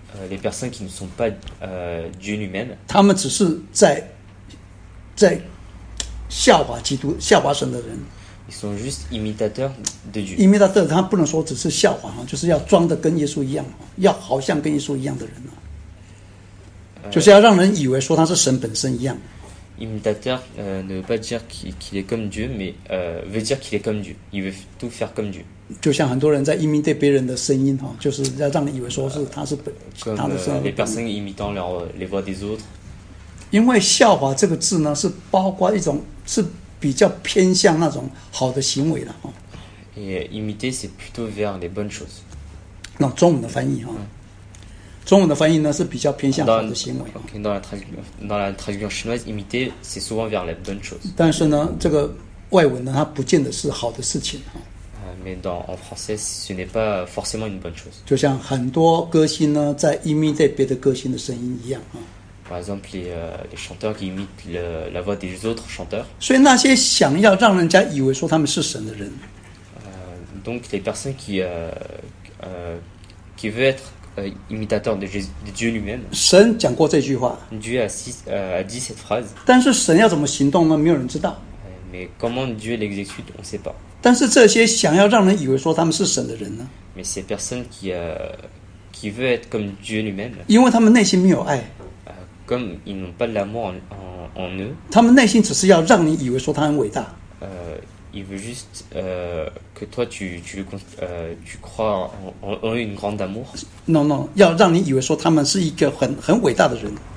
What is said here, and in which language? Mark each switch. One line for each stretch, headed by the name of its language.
French: les personnes qui ne sont pas Dieu lui-même
Chinese: 他们只是在效法基督效法神的人
French: ils sont juste imitateurs de Dieu
Chinese: imitateurs 他不能说只是效法就是要装得跟耶稣一样要好像跟耶稣一样的人就是要让人以为说他是神本身一样
French: imitateurs ne veut pas dire qu'il est comme Dieu mais veut dire qu'il est comme Dieu il veut tout faire comme Dieu
Chinese: 就像很多人在 imiter 别人的声音就是要让你以为说是他是本他的声音。
French: Les personnes imitant les voix des autres。
Chinese: 因为效法这个字呢，是包括一种是比较偏向那种好的行为的。
French: Et imiter c'est plutôt vers les bonnes choses。
Chinese: 那中文的翻译中文的翻译呢是比较偏向好的行为。
French: Dans la traduction chinoise, imiter c'est souvent vers les bonnes choses。
Chinese: 但是呢，这个外文呢，它不见得是好的事情。
French: Mais en français, ce n'est pas forcément une bonne chose.
Chinese: 就像很多歌星呢，在 imiter 别的歌星的声音一样。
French: Par exemple, les chanteurs qui imitent la voix des autres chanteurs.
Chinese: 所以那些想要让人家以为说他们是神的人。
French: Donc les personnes qui veulent être imitateurs de Dieu lui-même.
Chinese: 神讲过这句话。
French: Dieu a dit cette phrase.
Chinese: 但是神要怎么行动呢？没有人知道。
French: Mais comment Dieu l'exécute, on ne sait pas.
Chinese: 但是这些想要让人以为说他们是神的人呢
French: ？Mais ces personnes qui veut être comme Dieu lui-même.
Chinese: 因为他们内心没有爱。
French: Comme ils n'ont pas l'amour en eux.
Chinese: 他们内心只是要让你以为说他很伟大。
French: Il veut juste que toi tu crois en une grande amour. Non, non,
Chinese: 要让你以为说他们是一个很伟大的人。